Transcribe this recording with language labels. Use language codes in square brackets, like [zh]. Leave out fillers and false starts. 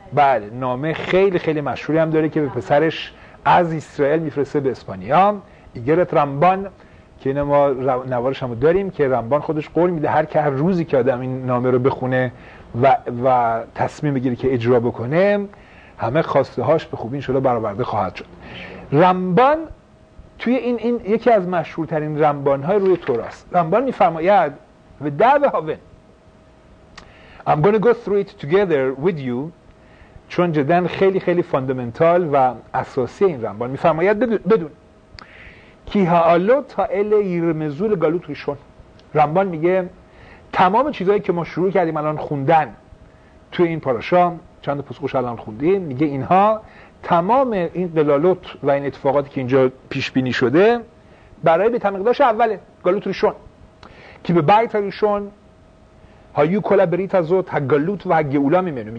[fa] بله، نامه خیلی خیلی مشهوری هم داره که به پسرش از اسرائیل میفرسته به اسپانیا، ایگرت رمبان، که اینا ما نوارش هم داریم که رمبان خودش قول میده هر که هر روزی که آدم این نامه رو بخونه و تصمیم بگیره که اجرا بکنه، همه خواسته هاش به خوبی انشالله برآورده خواهد شد. رمبان توی این یکی از مشهورترین رمبان های روی توراست. رمبان میفرماید و دعوه هاون [en] I'm going to go through it together with you. [fa] چون جدن خیلی خیلی فاندمنتال و اساسی این رمبان میفرماید بدون کی هاالو تا ال یرمزول گالوت ریشون. رمبان میگه تمام چیزهایی که ما شروع کردیم الان خوندن توی این پاراشا، چند پسخوش الان خوندیم، میگه اینها تمام این دلالوت و این اتفاقاتی که اینجا پیش بینی شده برای بیت مقدس اوله، گالوت ریشون، که به بیت ریشون هایو کلا بریت از اوت هگلوت و هگئولا میمینه.